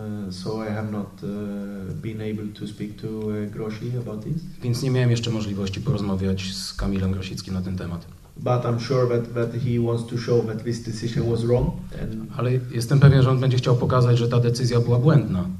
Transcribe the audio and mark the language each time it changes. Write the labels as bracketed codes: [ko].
[en] So I have not been able to speak to Grosi about this. [pl] Więc nie miałem jeszcze możliwości porozmawiać z Kamilem Grosickim na ten temat. [en] But I'm sure that he wants to show that this decision was wrong. And [pl] ale jestem pewien, że on będzie chciał pokazać, że ta decyzja była błędna.